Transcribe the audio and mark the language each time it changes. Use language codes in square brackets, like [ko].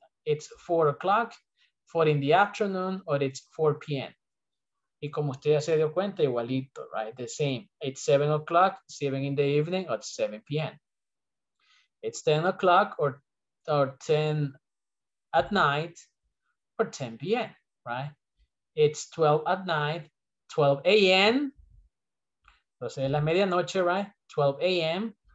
[en] It's 4 o'clock, 4 in the afternoon, or it's 4 p.m. [es] Y como usted ya se dio cuenta, igualito, right? [en] The same. It's 7 o'clock, 7 in the evening, or 7 p.m. It's 10 o'clock, or 10 at night, or 10 p.m., right? It's 12 at night, 12 a.m. [es] Entonces, la medianoche, [en] right? 12 a.m.